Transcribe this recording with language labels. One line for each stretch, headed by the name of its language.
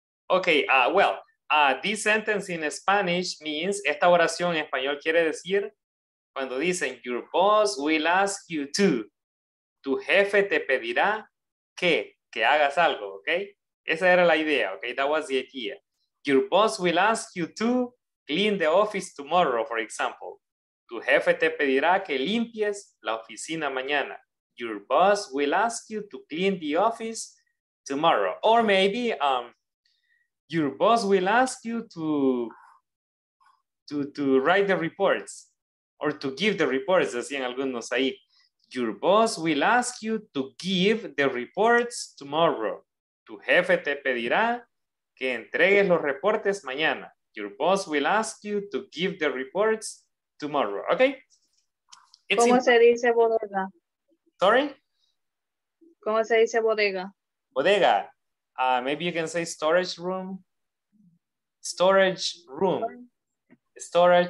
English: Okay, well, this sentence in Spanish means,
Spanish: esta oración en español quiere decir, cuando dicen,
English: your boss will ask you to,
Spanish: tu jefe te pedirá que hagas algo, okay? Esa era la idea, okay?
English: That was the idea. Your boss will ask you to clean the office tomorrow, for example.
Spanish: Tu jefe te pedirá que limpies la oficina mañana.
English: Your boss will ask you to clean the office tomorrow. Or maybe your boss will ask you to write the reports or to give the reports,
Spanish: decían algunos ahí.
English: Your boss will ask you to give the reports tomorrow.
Spanish: Tu jefe te pedirá que entregues los reportes mañana.
English: Your boss will ask you to give the reports tomorrow. Okay?
Spanish: It's ¿Cómo se dice bodega?
English: Sorry?
Spanish: ¿Cómo se dice bodega?
English: Bodega. Maybe you can say storage room. Storage room. Storage.